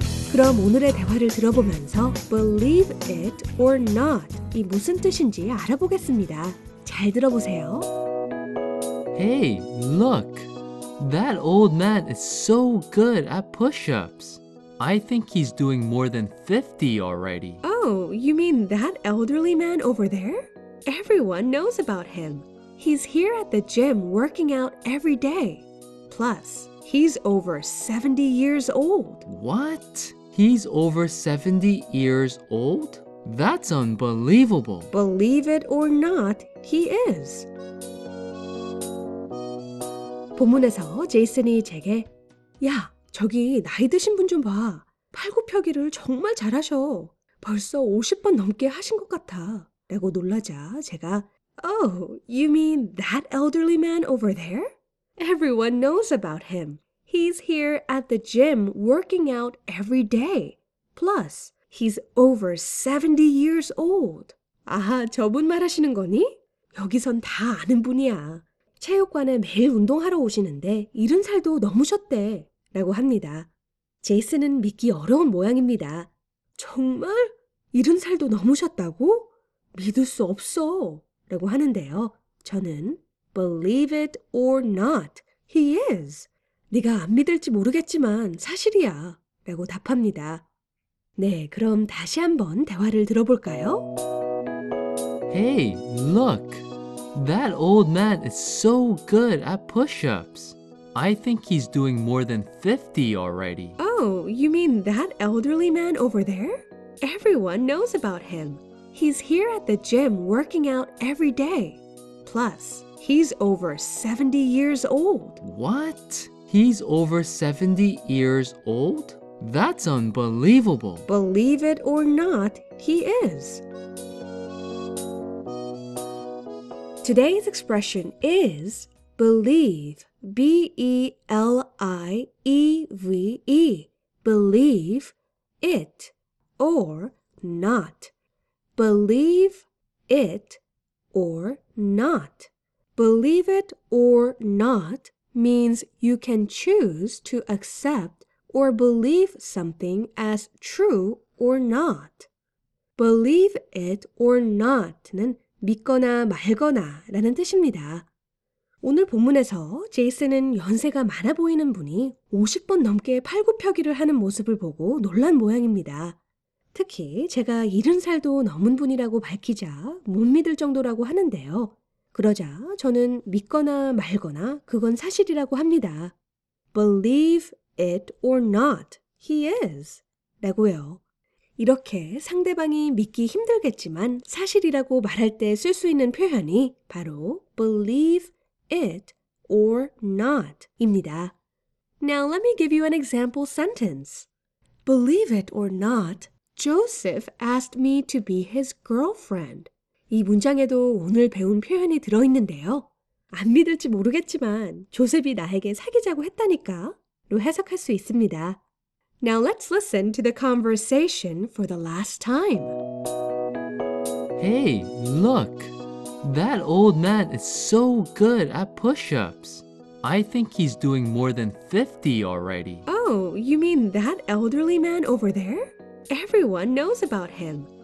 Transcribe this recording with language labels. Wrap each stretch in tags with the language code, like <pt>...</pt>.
<ko>그럼 오늘의 대화를 들어보면서</ko> <en>believe it or not</en> <ko>이 무슨 뜻인지 알아보겠습니다. 잘 들어보세요.</ko> <en>Hey, look. That old man is so good at push-ups. I think he's doing more than 50 already. Oh, you mean that elderly man over there? Everyone knows about him. He's here at the gym working out every day. Plus, he's over 70 years old. What? He's over 70 years old? That's unbelievable. Believe it or not, he is.</en> <ko>본문에서 제이슨이 제게 야, 저기 나이 드신 분 좀 봐. 팔굽혀기를 정말 잘하셔. 벌써 50번 넘게 하신 것 같아. 라고 놀라자 제가</ko> <en>Oh, you mean that elderly man over there? Everyone knows about him. He's here at the gym working out every day. Plus, he's over 70 years old.</en> <ko>아하, 저분 말하시는 거니? 여기선 다 아는 분이야. 체육관에 매일 운동하러 오시는데 70살도 넘으셨대 라고 합니다. 제이슨은 믿기 어려운 모양입니다. 정말? 70살도 넘으셨다고? 믿을 수 없어 라고 하는데요. 저는</ko> <en>believe it or not, he is.</en> <ko>네가 안 믿을지 모르겠지만 사실이야 라고 답합니다. 네, 그럼 다시 한번 대화를 들어볼까요?</ko> <en>Hey, look. That old man is so good at push-ups. I think he's doing more than 50 already. Oh, you mean that elderly man over there? Everyone knows about him. He's here at the gym working out every day. Plus, he's over 70 years old. What? He's over 70 years old? That's unbelievable. Believe it or not, he is. Today's expression is believe, B-E-L-I-E-V-E, believe it or not. Believe it or not. Believe it or not means you can choose to accept or believe something as true or not. Believe it or not</en> <ko>는 믿거나 말거나 라는 뜻입니다. 오늘 본문에서 제이슨은 연세가 많아 보이는 분이 50번 넘게 팔굽혀기를 하는 모습을 보고 놀란 모양입니다. 특히 제가 70살도 넘은 분이라고 밝히자 못 믿을 정도라고 하는데요. 그러자 저는 믿거나 말거나 그건 사실이라고 합니다.</ko> <en>Believe it or not, he is.</en> <ko>라고요. 이렇게 상대방이 믿기 힘들겠지만 사실이라고 말할 때 쓸 수 있는 표현이 바로</ko> <en>believe it or not</en> <ko>입니다.</ko> <en>Now let me give you an example sentence. Believe it or not, Joseph asked me to be his girlfriend.</en> <ko>이 문장에도 오늘 배운 표현이 들어있는데요. 안 믿을지 모르겠지만 조셉이 나에게 사귀자고 했다니까 로 해석할 수 있습니다.</ko> <en>Now let's listen to the conversation for the last time. Hey, look. That old man is so good at push-ups. I think he's doing more than 50 already. Oh, you mean that elderly man over there? Everyone knows about him.</en>